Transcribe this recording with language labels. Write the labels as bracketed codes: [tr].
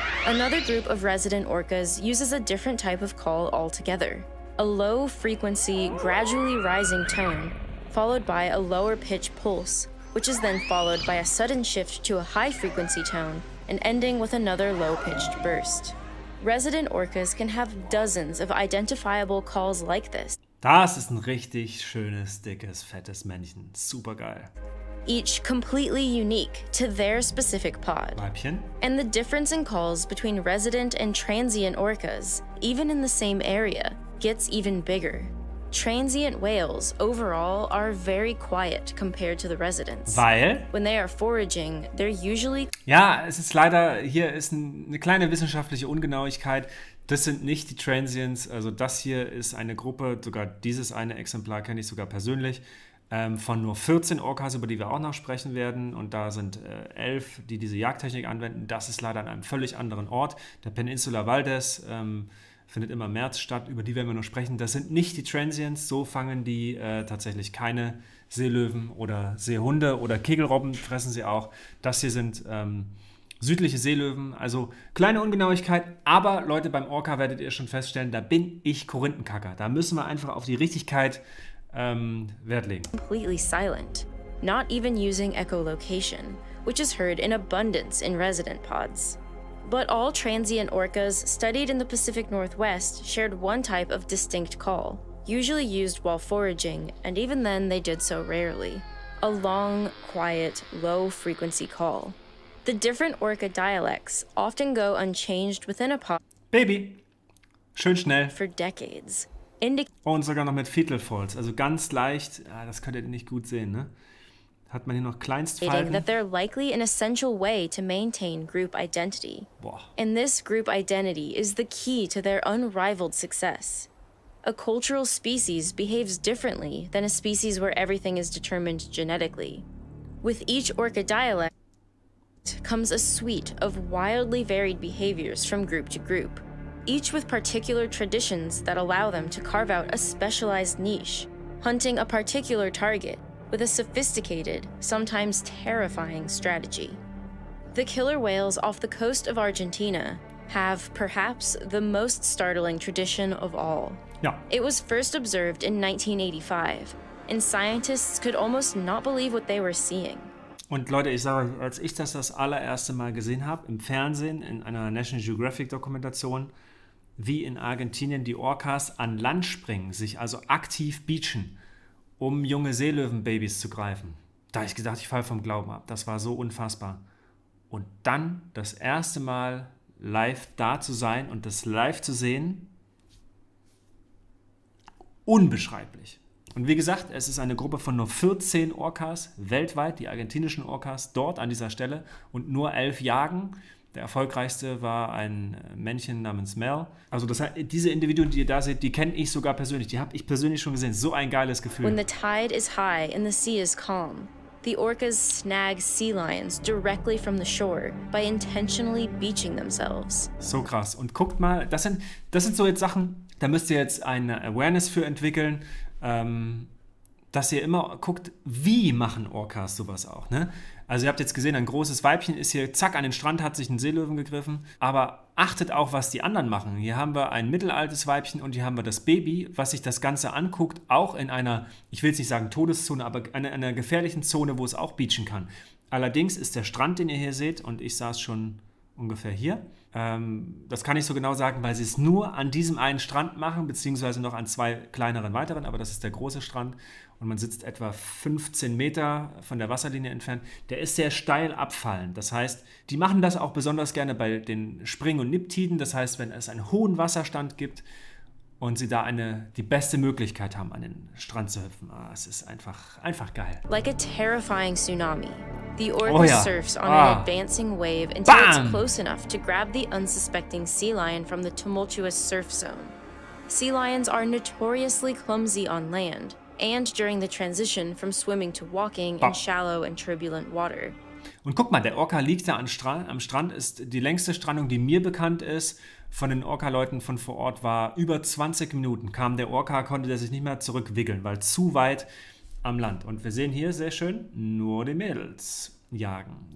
[en] Another group of resident orcas uses a different type of call altogether, a low frequency, gradually rising tone, followed by a lower pitch pulse, which is then followed by a sudden shift to a high frequency tone and ending with another low-pitched burst. Resident orcas can have dozens of identifiable calls like this. [de] Das ist ein richtig schönes, dickes, fettes Männchen. Supergeil. [en] Each completely unique to their specific pod. [de] Weibchen. [en] And the difference in calls between resident and transient orcas, even in the same area, gets even bigger. Transient whales, overall, are very quiet compared to the residents. [de] Weil? [en] When they are foraging, they're usually... [de] Ja, es ist leider, hier ist eine kleine wissenschaftliche Ungenauigkeit. Das sind nicht die Transients, also das hier ist eine Gruppe, sogar dieses eine Exemplar kenne ich sogar persönlich, von nur 14 Orcas, über die wir auch noch sprechen werden. Und da sind 11, die diese Jagdtechnik anwenden. Das ist leider an einem völlig anderen Ort, der Peninsula Valdez. Findet immer im März statt, über die werden wir noch sprechen. Das sind nicht die Transients, so fangen die tatsächlich keine Seelöwen oder Seehunde oder Kegelrobben, fressen sie auch. Das hier sind südliche Seelöwen, also kleine Ungenauigkeit, aber Leute, beim Orca werdet ihr schon feststellen, da bin ich Korinthenkacker. Da müssen wir einfach auf die Richtigkeit Wert legen. [en] Completely silent, not even using echolocation, which is heard in abundance in resident pods. But all transient orcas studied in the Pacific Northwest shared one type of distinct call, usually used while foraging, and even then they did so rarely. A long, quiet, low-frequency call. The different orca dialects often go unchanged within a pod. [de] Baby! Schön schnell. [en] For decades. [de] Und sogar noch mit Fetal-Falls, also ganz leicht. Ah, das könnt ihr nicht gut sehen, ne? Hat man hier noch Kleinstfalten? [en] That they're likely an essential way to maintain group identity. [de] Boah. [en] And this group identity is the key to their unrivaled success. A cultural species behaves differently than a species where everything is determined genetically. With each orca dialect comes a suite of wildly varied behaviors from group to group, each with particular traditions that allow them to carve out a specialized niche, hunting a particular target, with a sophisticated, sometimes terrifying strategy. The killer whales off the coast of Argentina have perhaps the most startling tradition of all. [de] Ja. [en] It was first observed in 1985, and scientists could almost not believe what they were seeing. [de] Und Leute, ich sage, als ich das allererste Mal gesehen habe, im Fernsehen, in einer National Geographic Dokumentation, wie in Argentinien die Orcas an Land springen, sich also aktiv beachen, um junge Seelöwenbabys zu greifen. Da habe ich gedacht, ich falle vom Glauben ab. Das war so unfassbar. Und dann das erste Mal live da zu sein und das live zu sehen, unbeschreiblich. Und wie gesagt, es ist eine Gruppe von nur 14 Orcas weltweit, die argentinischen Orcas, dort an dieser Stelle und nur 11 jagen. Der erfolgreichste war ein Männchen namens Mel. Also das, diese Individuen, die ihr da seht, die kenne ich sogar persönlich. Die habe ich persönlich schon gesehen. So ein geiles Gefühl. [en] When the tide is high and the sea is calm, the orcas snag sea lions directly from the shore by intentionally beaching themselves. [de] So krass. Und guckt mal, das sind so jetzt Sachen, da müsst ihr jetzt eine Awareness für entwickeln, dass ihr immer guckt, wie machen Orcas sowas auch, ne? Also ihr habt jetzt gesehen, ein großes Weibchen ist hier, zack, an den Strand, hat sich ein Seelöwen gegriffen. Aber achtet auch, was die anderen machen. Hier haben wir ein mittelaltes Weibchen und hier haben wir das Baby, was sich das Ganze anguckt, auch in einer, ich will es nicht sagen Todeszone, aber in einer gefährlichen Zone, wo es auch beachen kann. Allerdings ist der Strand, den ihr hier seht, und ich saß schon ungefähr hier, das kann ich so genau sagen, weil sie es nur an diesem einen Strand machen, beziehungsweise noch an zwei kleineren weiteren, aber das ist der große Strand. Und man sitzt etwa 15 Meter von der Wasserlinie entfernt. Der ist sehr steil abfallend. Das heißt, die machen das auch besonders gerne bei den Spring- und Niptiden. Das heißt, wenn es einen hohen Wasserstand gibt und sie da die beste Möglichkeit haben, an den Strand zu hüpfen. Ah, es ist einfach geil. [en] Like a terrifying tsunami. The orca surfs on an advancing wave until it's close enough to grab the unsuspecting sea lion from the tumultuous surf zone. Sea lions are notoriously clumsy on land and during the transition from swimming to walking in shallow and turbulent water. [de] Und guck mal, der Orca liegt da am Strand, ist die längste Strandung, die mir bekannt ist. Von den Orca-Leuten von vor Ort war über 20 Minuten. Kam der Orca, konnte der sich nicht mehr zurückwickeln, weil zu weit am Land. Und wir sehen hier sehr schön nur die Mädels jagen.